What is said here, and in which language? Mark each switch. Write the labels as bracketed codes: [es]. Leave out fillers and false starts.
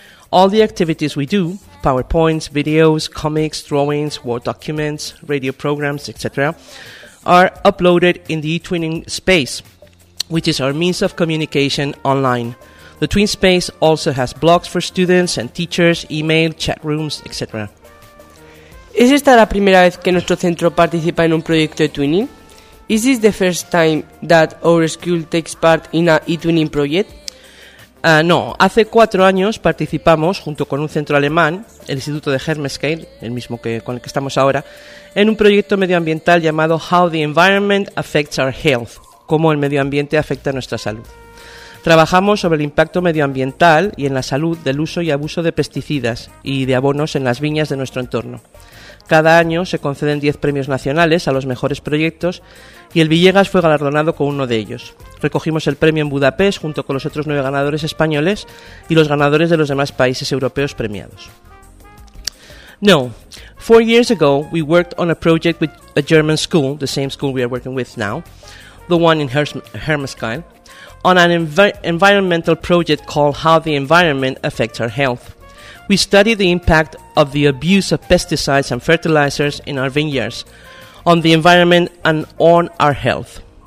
[en] All the activities we do, PowerPoints, videos, comics, drawings, Word documents, radio programs, etc., are uploaded in the eTwinning space, which is our means of communication online. The Twin space also has blogs for students and teachers, email, chat rooms, etc. [es] ¿Es esta la primera vez que nuestro centro participa en un proyecto eTwinning? [en] Is this the first time that our school takes part in an eTwinning project? [es] No, hace 4 años participamos, junto con un centro alemán, el Instituto de Hermeskeil, el mismo que con el que estamos ahora, en un proyecto medioambiental llamado How the Environment Affects Our Health, cómo el medio ambiente afecta a nuestra salud. Trabajamos sobre el impacto medioambiental y en la salud del uso y abuso de pesticidas y de abonos en las viñas de nuestro entorno. Cada año se conceden 10 premios nacionales a los mejores proyectos y el Villegas fue galardonado con uno de ellos. Recogimos el premio en Budapest junto con los otros 9 ganadores españoles y los ganadores de los demás países europeos premiados. [en] No, 4 years ago we worked on a project with a German school, the same school we are working with now, the one in Hermeskeil, on an environmental project called How the Environment Affects Our Health. We studied the impact of the abuse of pesticides and fertilizers in our vineyards, on the environment and on our health.